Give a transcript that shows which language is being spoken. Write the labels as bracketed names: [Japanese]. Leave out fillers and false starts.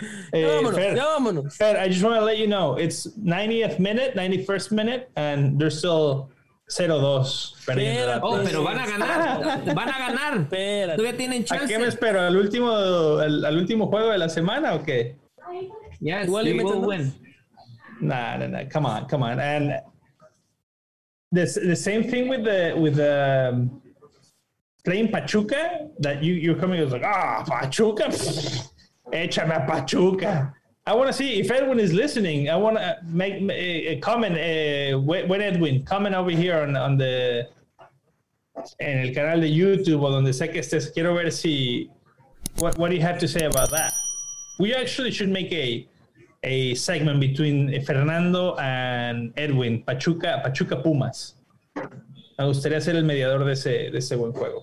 [English] Fer, I just want to let you know, it's 91st minute, and they're still 0-2. [Spanish] Pero van a ganar. Todavía tienen chance. ¿A qué me espero? ¿Al último juego de la semana o qué? [English] Yes, well, they will win. Nah. Come on. And the same thing with playing Pachuca, that you're coming, it's like, Pachuca. [Spanish] Échame a Pachuca. [English] I want to see if Edwin is listening. I want to make a comment. When Edwin, comment over here on the [Spanish] canal de YouTube [English] or on the Sequestes. [Spanish] Quiero ver si, [English] what do you have to say about that? We actually should make a segment between Fernando and Edwin, Pachuca Pumas. [Spanish] Me gustaría ser el mediador de ese buen juego.